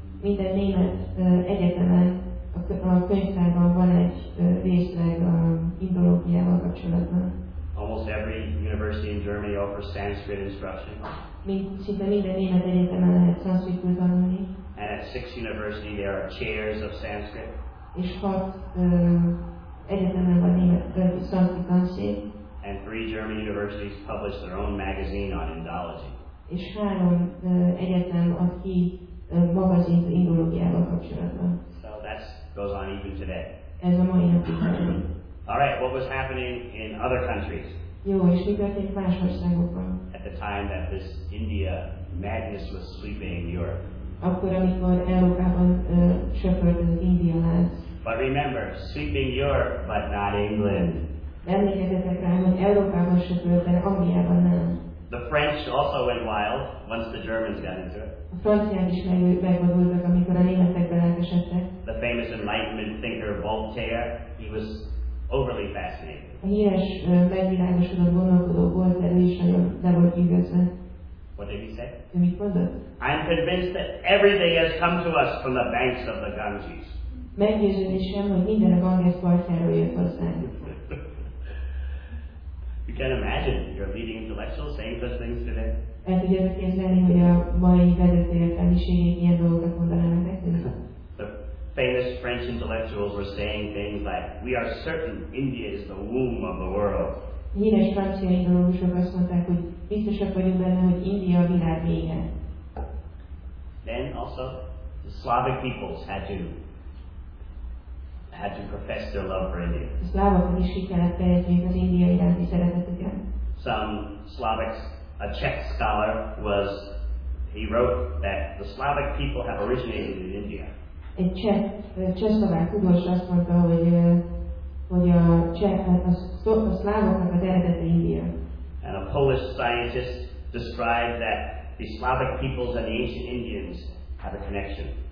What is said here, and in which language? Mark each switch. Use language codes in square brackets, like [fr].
[hu] Minden német egyetemen a könyvtárban van egy részleg Indológiával kapcsolatban. [en] Almost every university in Germany offers Sanskrit instruction. [hu] Szinte minden német egyetemen lehet Sanskritul tanulni. [en] And at 6 universities there are chairs of Sanskrit. [hu] És 6 egyetemen van német Sanskrit tanszék. [en] And 3 German universities publish their own magazine on Indology. [hu] És 3 egyetem ad ki magazint Indológiával kapcsolatban. [en] So that goes on even today. [hu] Ez a mai napig. [en] All right, what was happening in other countries? [hu] Jó, és mi történt más országokban? [en] At the time that this India madness was sweeping Europe. [hu] Akkor, amikor Európában söpört az India láz. [en] But remember, sweeping Europe, but not England. [hu] Emlékezzetek rá, hogy Európában söpört, de Angliában nem. [en] The French also went wild once the Germans got into it. [hu] A franciák is megvadultak, amikor a németek belelkesedtek. [en] The famous Enlightenment thinker Voltaire, he was overly fascinated. [hu] A híres megvilágosodott gondolkodó Voltaire is nagyon le volt hűvözve. [en] What did he say? I'm convinced that everything has come to us from the banks of the Ganges. [hu] Meggyőződésem, hogy minden a Ganges partjáról jött hozzánk. [en] You can imagine your leading intellectuals saying such things today. [hu] El tudjátok képzelni, hogy a mai vezető értelmiségek ilyen dolgokat mondanának nekünk? [en] The famous French intellectuals were saying things like, we are certain India is the womb of the world. [hu] Híres francia indológusok azt mondták, hogy biztosak vagyunk benne, hogy India a világ vége. [en] Then also the Slavic peoples had to profess their love for India. [hu] A szlávokon is ki kellett fejezniük az India iránti szeretetüket. [en] Some Slavics, a Czech scholar was He wrote that the Slavic people have originated in India. And a Polish scientist described that the Slavic peoples and the ancient Indians have a connection.